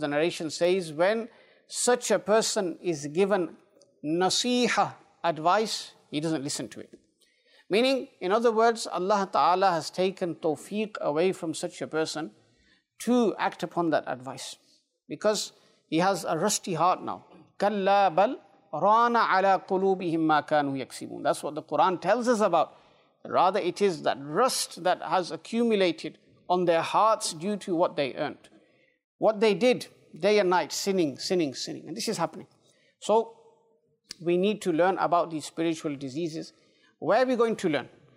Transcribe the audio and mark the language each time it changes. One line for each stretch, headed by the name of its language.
English: The narration says, when such a person is given nasiha, advice, he doesn't listen to it. Meaning, in other words, Allah Ta'ala has taken tawfiq away from such a person to act upon that advice. Because he has a rusty heart now.
Arabic: كَلَّا بَلْ رَانَ عَلَىٰ قُلُوبِهِمْ مَا كَانُوا يَكْسِبُونَ
English: That's what the Quran tells us about. Rather, it is that rust that has accumulated on their hearts due to what they earned. What they did, day and night, sinning. And this is happening. So, we need to learn about these spiritual diseases. Where are we going to learn?